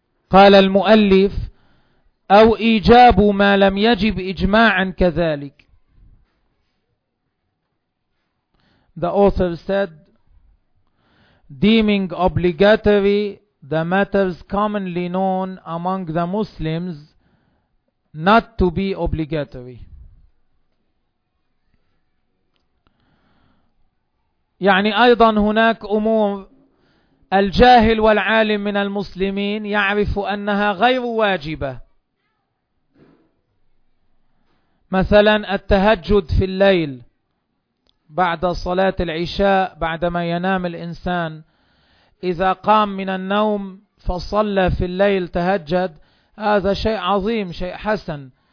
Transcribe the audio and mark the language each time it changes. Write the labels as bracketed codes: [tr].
[ar] قال المؤلف أو إيجاب ما لم يجب إجماعا كذلك. [en] The author said, deeming obligatory the matters commonly known among the Muslims not to be obligatory. [ar] يعني أيضا هناك أمور الجاهل والعالم من المسلمين يعرف أنها غير واجبة. مثلا التهجد في الليل بعد صلاة العشاء بعدما ينام الإنسان، إذا قام من النوم فصلى في الليل تهجد، هذا شيء عظيم، شيء حسن.